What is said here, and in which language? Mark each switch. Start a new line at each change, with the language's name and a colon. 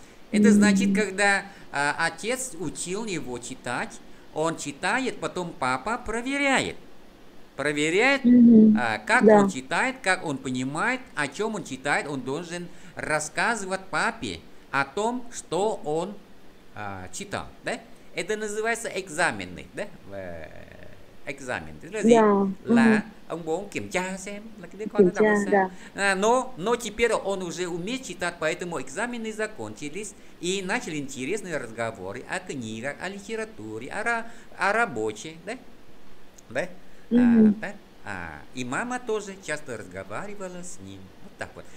Russian: Это значит, когда отец учил его читать, он читает, потом папа проверяет. Проверяет, как он Да. читает, как он понимает, о чем он читает, он должен рассказывать папе о том, что он читал, да? Это называется экзамены, да? Экзамен. Это значит, Да.
Vietnamese: là ông bố kiểm tra xem là cái đứa con Kiểm nó đọc được tra, sao.
Russian: да. Но теперь он уже умеет читать, поэтому экзамены закончились, и начали интересные разговоры о книгах, о литературе, о рабочей, да? Да? И мама тоже часто разговаривала с ним. Вот так вот.